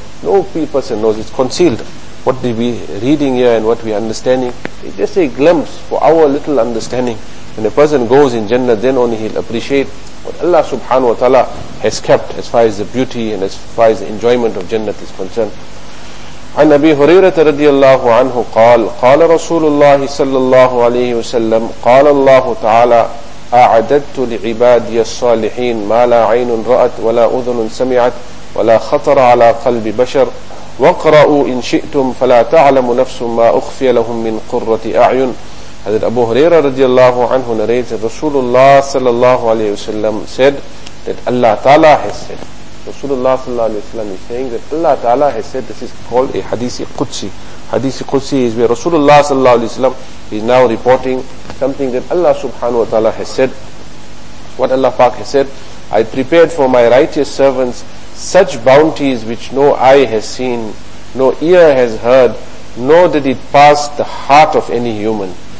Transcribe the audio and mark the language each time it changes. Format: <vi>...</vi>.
<en>No person knows, it's concealed. What we are reading here and what we are understanding, it's just a glimpse for our little understanding. When a person goes in Jannah, then only he'll appreciate what Allah subhanahu wa ta'ala has kept as far as the beauty and as far as the enjoyment of Jannah is concerned.</en> <ar>عن أبي هريرة رضي الله عنه قال قال رسول الله صلى الله عليه وسلم قال الله تعالى أعددت لعبادي الصالحين ما لا عين رأت ولا أذن سمعت ولا خطر على قلب بشر وقرأوا إن شئتم فلا تعلم نفس ما أخفي لهم من قرة أعين. هذا أبو هريرة رضي الله عنه</ar> <en>narrated</en> <ar>رسول الله صلى الله عليه وسلم</ar> <en>said that Allah Ta'ala has said. Rasulullah sallallahu alayhi wa sallam is saying that Allah Ta'ala has said, this is called a hadithi qudsi. Hadithi qudsi is where Rasulullah sallallahu alayhi wa sallam is now reporting something that Allah subhanahu wa ta'ala has said. What Allah Pak has said, I prepared for my righteous servants such bounties which no eye has seen, no ear has heard, nor did it pass the heart of any human.</en>